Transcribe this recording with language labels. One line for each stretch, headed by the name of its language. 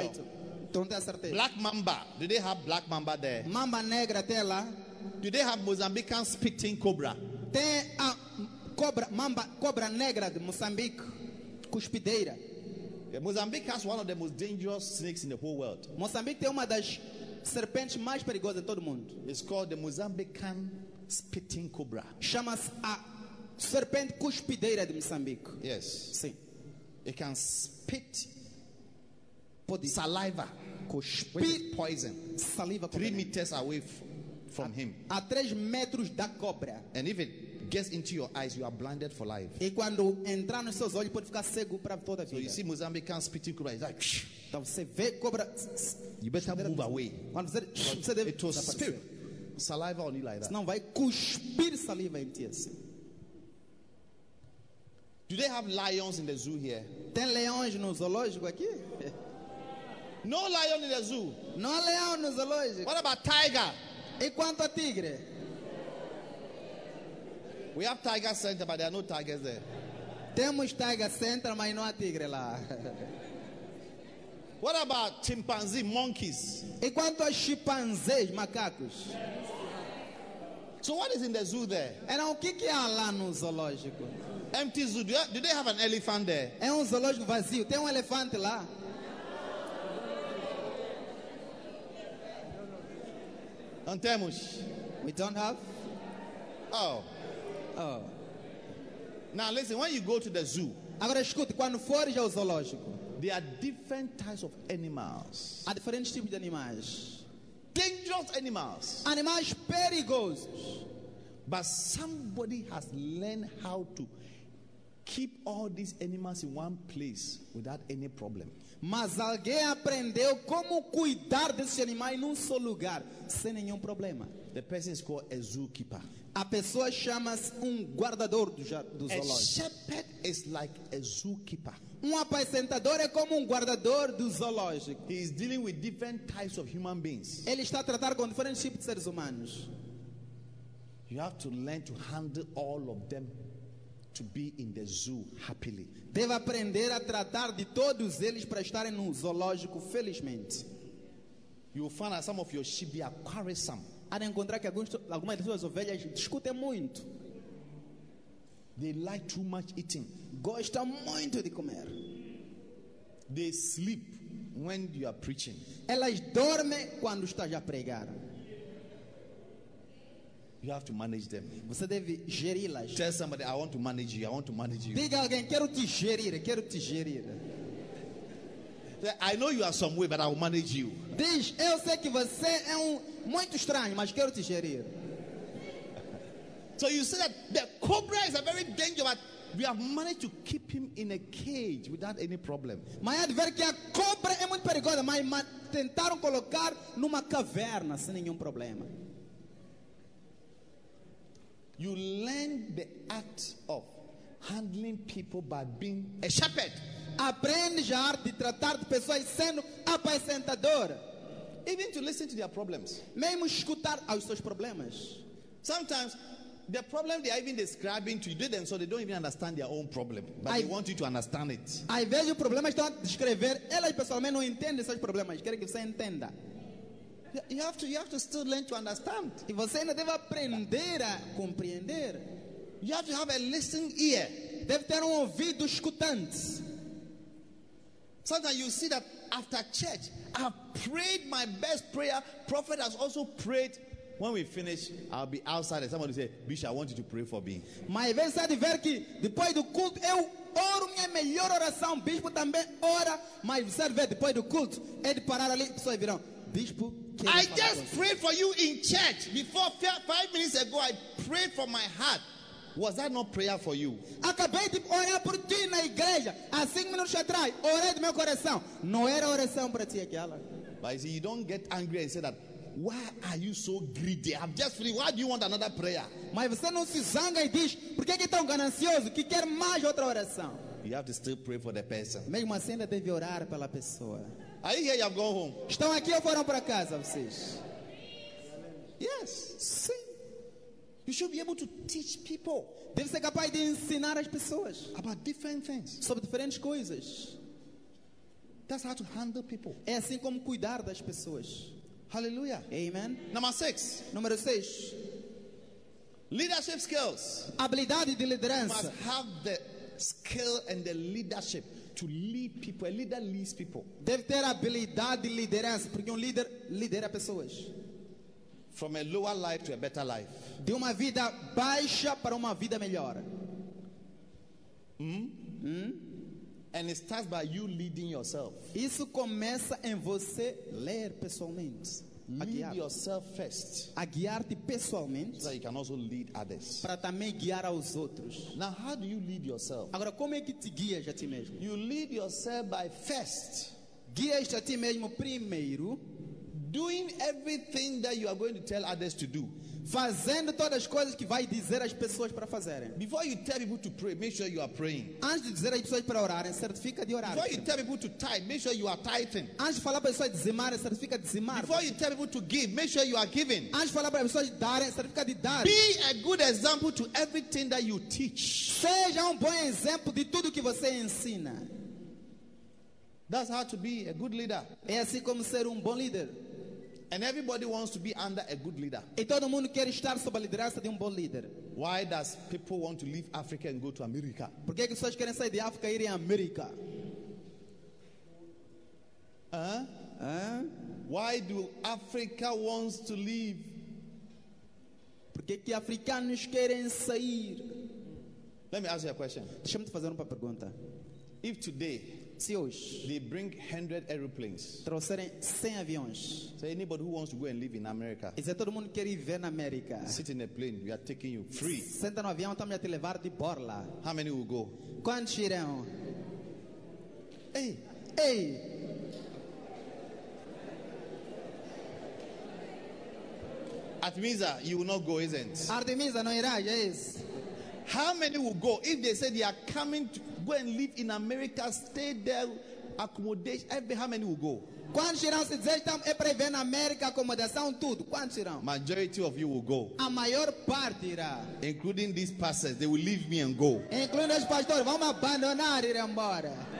Portuguese: Python. Não tenho certeza.
English: Black mamba. Do they have black mamba there?
Portuguese: Mamba negra tem lá.
English: Do they have Mozambican spitting cobra?
Portuguese: Tem a cobra, mamba, cobra negra de Moçambique. Cuspideira.
English: Yeah, Mozambique has one of the most dangerous snakes in the whole world.
Portuguese: Moçambique tem uma das serpentes mais perigosas em todo o mundo.
English: It's called the Mozambican spitting cobra.
Portuguese: Chama-se a serpente cuspideira de Moçambique.
English: Yes.
Portuguese: Sim.
English: It can spit saliva.
Portuguese: Cuspir
English: poison.
Portuguese: Saliva.
English: 3 meters away from him.
Portuguese: A 3 metros da cobra.
English: And if it gets into your eyes, you are blinded for life.
Portuguese: E quando entrar nos seus olhos, pode ficar cego para toda a vida.
English: So you see Mozambican spitting cobra, it's like,
Portuguese: então você vê cobra.
English: You better move away.
Portuguese: Quando você deve
English: it will spit saliva on you like that.
Portuguese: Senão vai cuspir saliva em ti assim.
English: Do they have lions in the zoo here?
Portuguese: Tem leões no zoológico aqui?
English: No lion in the zoo.
Portuguese: Não há leão no zoológico.
English: What about tiger?
Portuguese: E quanto a tigre?
English: We have tiger center, but there are no tigers there.
Portuguese: Temos tiger center, mas não há tigre lá.
English: What about chimpanzee, monkeys?
Portuguese: E quanto a chimpanzés, macacos?
English: So what is in the zoo there?
Portuguese: Era o que há lá no zoológico?
English: Empty zoo. Do they have an elephant there?
Portuguese: É um zoológico vazio. Tem um elefante lá? Não temos.
English: We don't have. Oh. Oh. Now listen, when you go to the zoo,
Portuguese: agora escute, quando fores ao zoológico,
English: There are different types of animals.
Portuguese: Há diferentes tipos de animais.
English: Dangerous animals.
Portuguese: Animais perigosos.
English: But somebody has learned how to keep all these animals in one place without any problem.
Portuguese: Mas alguém aprendeu como cuidar desses animais num só lugar, sem nenhum problema.
English: The person is called a zookeeper.
Portuguese: A pessoa chama-se guardador do zoológico.
English: A shepherd is like a zookeeper.
Portuguese: Apacentador é como guardador do zoológico.
English: He is dealing with different types of human beings.
Portuguese: Ele está a tratar com diferentes tipos de seres humanos.
English: You have to learn to handle all of them to be in the zoo happily.
Portuguese: Deve aprender a tratar de todos eles para estarem no zoológico felizmente.
English: You will find that some of your sheep be quarrelsome.
Portuguese: Há de encontrar que algumas das suas ovelhas discutem muito.
English: They like too much eating.
Portuguese: Gostam muito de comer.
English: They sleep when you are preaching.
Portuguese: Elas dormem quando estás a pregar.
English: You have to manage them.
Portuguese: Você deve geri-las.
English: Tell somebody, I want to manage you. I want to manage you.
Portuguese: Diga alguém, quero te gerir, quero te gerir.
English: I know you are some way, but I will manage you.
Portuguese: Diz, eu sei que você é muito estranho, mas quero te gerir.
English: So you say that the cobra is a very dangerous. We have managed to keep him in a cage without any problem.
Portuguese: Mas é de ver que a cobra é muito perigosa, mas tentaram colocar numa caverna sem nenhum problema.
English: You learn the art of handling people by being a shepherd.
Portuguese: Aprende a arte de tratar de pessoas sendo apacentador.
English: Even to listen to their problems.
Portuguese: Mesmo escutar aos seus problemas.
English: Sometimes the problem they are even describing to you, do them so they don't even understand their own problem, but they want you to understand it.
Portuguese: Aí vejo o problema estão a descrever, elas pessoalmente não entendem seus problemas, querem que você entenda.
English: You have to still learn to understand.
Portuguese: E você ainda deve aprender a compreender.
English: You have to have a listening ear.
Portuguese: Deve ter ouvido escutante.
English: Sometimes you see that after church, I've prayed my best prayer. Prophet has also prayed. When we finish, I'll be outside and somebody will say, Bishop, I want you to pray for me.
Portuguese: Mas você deve ver que depois do culto, eu oro minha melhor oração. Bispo também ora. Mas você deve ver, depois do culto, é de parar ali, pessoas virão. Bispo,
English: I just prayed for you in church before 5 minutes ago. I prayed from my heart. Was that not prayer for you?
Portuguese: Acabei de orar por ti na igreja há 5 minutos atrás. Orei do meu coração. Não era oração para ti aquela.
English: But you see, you don't get angry and say that. Why are you so greedy? I'm just free. Why do you want another prayer?
Portuguese: Mas você não se zanga e diz, por que é tão ganancioso? Que quer mais outra oração?
English: You have to still pray for the person.
Portuguese: Mesmo assim, ainda deve orar pela pessoa.
English: Are you here? You have gone home.
Portuguese: Estão aqui ou foram para casa vocês?
English: Yes.
Portuguese: Sim.
English: You should be able to teach people.
Portuguese: Deve ser capaz de ensinar as pessoas.
English: About different things.
Portuguese: Sobre diferentes coisas.
English: That's how to handle people.
Portuguese: É assim como cuidar das pessoas.
English: Hallelujah. Amen.
Portuguese: Número 6.
English: Leadership skills.
Portuguese: Habilidade de liderança.
English: You must have the skill and the leadership to lead people. A leader leads people.
Portuguese: Deve ter habilidade de liderança, porque líder lidera pessoas.
English: From a lower life to a better life.
Portuguese: De uma vida baixa para uma vida melhor.
English: And it starts by you leading yourself.
Portuguese: Isso começa em você ler pessoalmente.
English: Lead yourself first.
Portuguese: A guiar-te pessoalmente.
English: So you can also lead others.
Portuguese: Para também guiar aos outros.
English: Now, how do you lead yourself?
Portuguese: Agora, como é que te guias a ti mesmo?
English: You lead yourself by first.
Portuguese: Guias a ti mesmo primeiro.
English: Doing everything that you are going to tell others to do.
Portuguese: Fazendo todas as coisas que vai dizer as pessoas para fazerem.
English: Before you tell people to pray, make sure you are praying.
Portuguese: Antes de dizer às pessoas para orarem, certifica de orar.
English: Before you tell people to tithe, make sure you are tithing.
Portuguese: Antes de falar para as pessoas dizimarem, certifica de dizimar.
English: Before you tell people to give, make sure you are giving.
Portuguese: Antes de falar para as pessoas darem, certifica de dar.
English: Be a good example to everything that you teach.
Portuguese: Seja bom exemplo de tudo que você ensina.
English: That's how to be a good leader.
Portuguese: É assim como ser bom líder.
English: And everybody wants to be under a good leader.
Portuguese: E todo mundo quer estar sob a liderança de bom líder.
English: Why does people want to leave Africa and go to America?
Portuguese: Por que as pessoas querem sair de África e ir à América?
English: Why do Africa wants to leave?
Portuguese: Por que africanos querem sair?
English: Let me ask you a question.
Portuguese: Deixa-me te fazer uma pergunta.
English: If today,
Portuguese: Se hoje
English: they bring 100 aeroplanes,
Portuguese: trouxerem 100 aviões.
English: So anybody who wants to go and live in America,
Portuguese: e se todo mundo quer viver na América,
English: sit in a plane, we are taking you free.
Portuguese: Senta no avião, estamos a te levar de borla.
English: How many will go?
Portuguese: Quantos irão? Ei, ei.
English: Artemisa, you will not go, isn't it?
Portuguese: Artemisa não irá,
English: yes. How many will go if they say they are coming to go and live in America, stay there, accommodation? How many will go?
Portuguese: Quantos irão se dizer estão é para viver na América, acomodação, tudo? Quantos irão?
English: Majority of you will go.
Portuguese: A maior parte irá.
English: Including these pastors, they will leave me and go.
Portuguese: Incluindo os pastores, vão me abandonar e ir embora.